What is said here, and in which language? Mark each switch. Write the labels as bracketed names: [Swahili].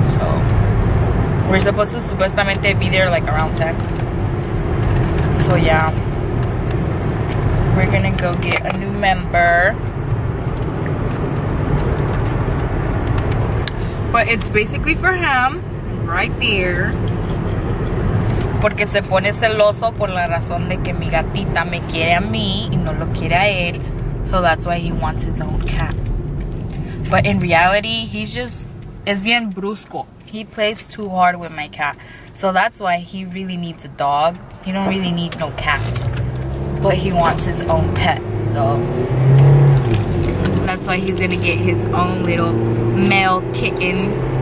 [English] So we're supposed to supuestamente be there like around 10. So yeah, we're gonna go get a new member. But it's basically for him, right there. [Spanish] Porque se pone celoso por la razón de que mi gatita me quiere a mí y no lo quiere a él. [English] So that's why he wants his own cat. But in reality, he's just, [Spanish] es bien brusco. [English] He plays too hard with my cat. So that's why he really needs a dog. He don't really need no cats. But he wants his own pet, so that's why he's gonna get his own little male kitten.